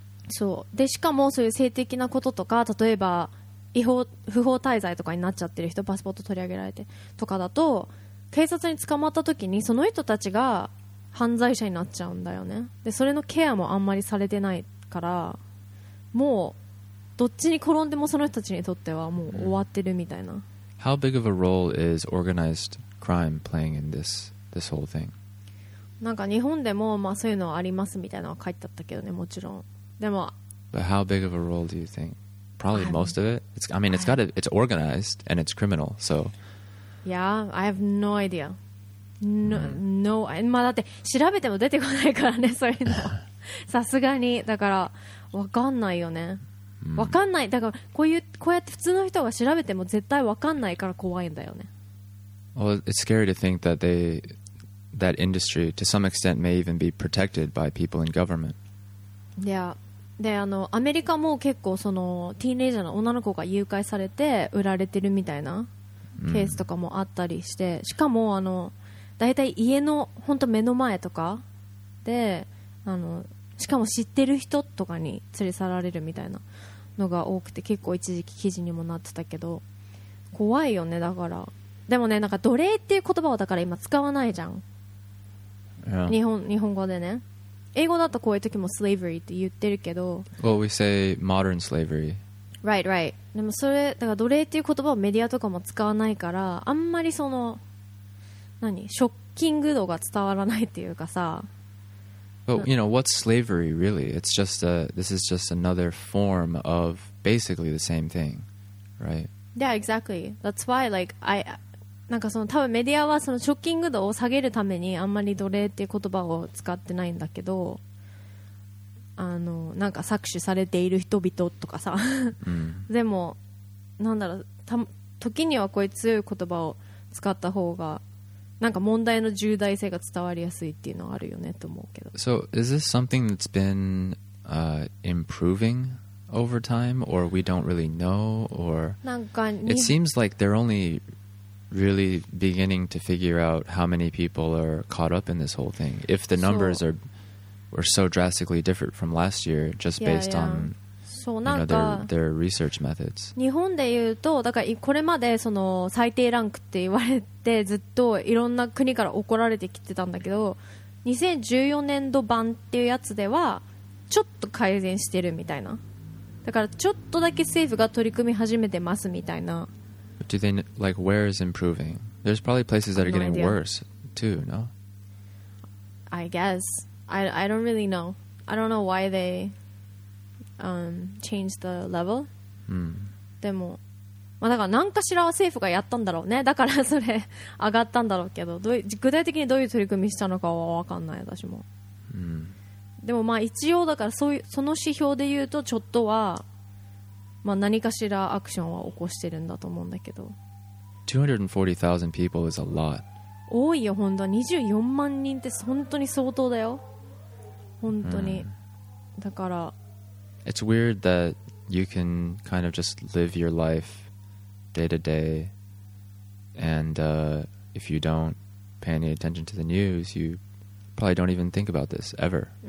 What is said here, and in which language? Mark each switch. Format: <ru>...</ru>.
<ja>そうでしかもそういう性的なこととか例えば不法滞在とかになっちゃってる人パスポート取り上げられてとかだと警察に捕まった時にその人たちが犯罪者になっちゃうんだよねでそれのケアもあんまりされてないからもうどっちに転んでもその人たちにとってはもう終わってるみたいな、</ja> <en>yeah. How big of a role is organized crime playing in this whole thing?</en> <ja>なんか日本でもまあそういうのありますみたいなのは書いてあったけどねもちろんでも</ja> <en>But how big of a role do you think? Probably most of it? It's organized and it's criminal so Yeah, I have no ideaNo, no.</en> <ja>まあだって調べても出てこないからねそういうのさすがにだから分かんないよね分かんないだからこうやって普通の人が調べても絶対分かんないから怖いんだよね</ja> <en>Well, it's scary to think that that industry to some extent may even be protected by people in government</en> <ja>Yeah であのアメリカも結構そのティーンエイジャーの女の子が誘拐されて売られてるみたいなケースとかもあったりして、mm. しかもあのだいたい家の本当目の前とかであのしかも知ってる人とかに連れ去られるみたいなのが多くて結構一時期記事にもなってたけど怖いよねだからでもねなんか奴隷っていう言葉をだから今使わないじゃん、</ja> <en>yeah.</en> <ja>日本語でね英語だとこういう時も slavery って言ってるけど</ja> <en>Well we say modern slavery Right right</en> <ja>でもそれだから奴隷っていう言葉をメディアとかも使わないからあんまりその何ショッキング度が伝わらないっていうかさ</ja> <en>But you know, what's slavery really? It's just this is just another form of basically the same thing, right? Yeah, exactly. That's why, like, I</en> <ja>なんかその多分メディアはそのショッキング度を下げるためにあんまり奴隷っていう言葉を使ってないんだけどあのなんか搾取されている人々とかさ、 mm. でもなんだろうた時にはこういう強い言葉を使った方がなんか問題の重大性が伝わりやすいっていうのはあるよねと思うけど。</ja> <en>So is this something that's been improving over time, or we don't really know, or it seems like they're only really beginning to figure out how many people are caught up in this whole thing. If the numbers were so drastically different from last year, just based on</en> <ja>そうなんか日本でいうとだからこれまでその最低ランクって言われてずっといろんな国から怒られてきてたんだけど2014年度版っていうやつではちょっと改善してるみたいなだからちょっとだけ政府が取り組み始めてますみたいな</ja> <en>Do they, like, where is improving? There's probably places that are getting worse too, no? I guess I don't really know I don't know why theychange the level、 mm.</en> <ja>でも、まあ、だから何かしらは政府がやったんだろうねだからそれ上がったんだろうけ ど, どう具体的にどういう取り組みしたのかは分かんない私も、 mm. でもまあ一応だから その指標で言うとちょっとは、まあ、何かしらアクションは起こしてるんだと思うんだけど</ja> <en>240,000 people is a lot</en> <ja>多いよ本当24万人って本当に相当だよ本当に、mm. だから</ja> <en>It's weird that you can kind of just live your life day to day, and if you don't pay any attention to the news, you probably don't even think about this ever.</en>